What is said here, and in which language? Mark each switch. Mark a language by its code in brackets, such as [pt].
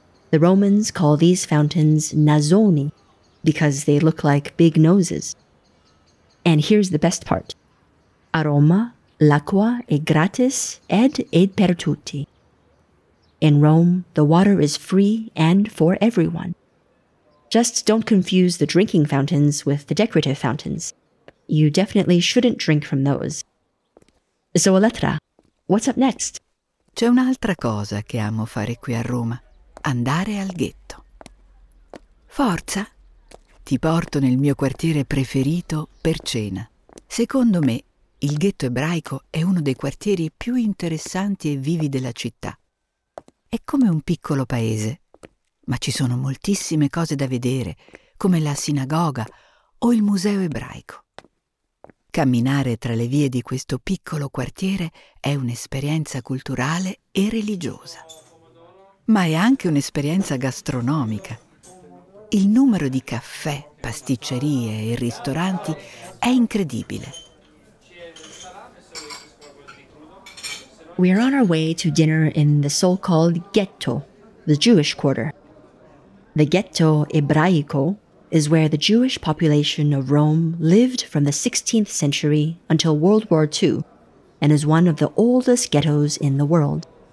[en] The Romans call these fountains nasoni because they look like big noses. And here's the best part. [it] A Roma, l'acqua è gratis ed per tutti. [en] In Rome, the water is free and for everyone. Just don't confuse the drinking fountains with the decorative fountains. You definitely shouldn't drink from those. So, Elettra, what's up next? [it] C'è un'altra cosa che amo fare qui a Roma. Andare al ghetto. Forza! Ti porto nel mio quartiere preferito per cena. Secondo me, il ghetto ebraico è uno dei quartieri più interessanti e vivi della città. È come un piccolo paese, ma ci sono moltissime cose da vedere, come la sinagoga o il museo ebraico. Camminare tra le vie di questo piccolo quartiere è un'esperienza culturale e religiosa, ma è anche un'esperienza gastronomica. Il numero di caffè, pasticcerie e ristoranti è incredibile. [en] We are on our way to dinner in the so-called ghetto, the Jewish quarter. The ghetto ebraico is where the Jewish population of Rome lived from the 16th century until World War II, and is one of the oldest ghettos in the world.